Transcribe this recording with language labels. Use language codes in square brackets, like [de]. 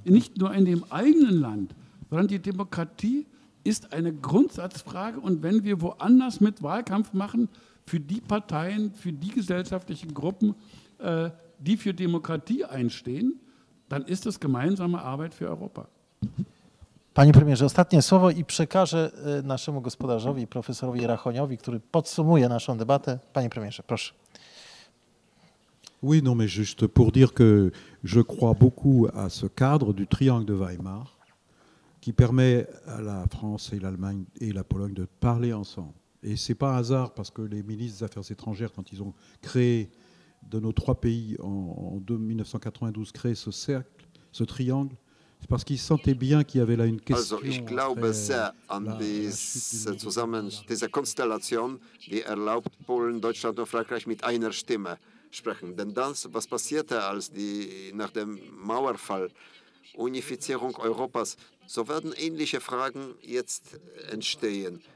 [de] Nicht nur in dem eigenen Land, sondern die Demokratie ist eine Grundsatzfrage, und wenn wir woanders mit Wahlkampf machen, für die Parteien, für die gesellschaftlichen Gruppen, die für Demokratie einstehen, dann ist das gemeinsame Arbeit für Europa. [pl] Panie premierze, ostatnie słowo i przekażę naszemu gospodarzowi, profesorowi Rachoniowi, który podsumuje naszą debatę. Panie premierze, proszę. [fr] Oui, non, mais juste pour dire que je crois beaucoup à ce cadre du triangle de Weimar, qui permet à la France et l'Allemagne et la Pologne de parler ensemble. Et c'est pas un hasard, parce que les ministres des Affaires étrangères, quand ils ont créé de nos trois pays en 1992, créé ce cercle, ce triangle, [de] also ich glaube sehr an diese Konstellation, die erlaubt, Polen, Deutschland und Frankreich mit einer Stimme sprechen. Denn das, was passierte als die, nach dem Mauerfall, Unifizierung Europas, so werden ähnliche Fragen jetzt entstehen.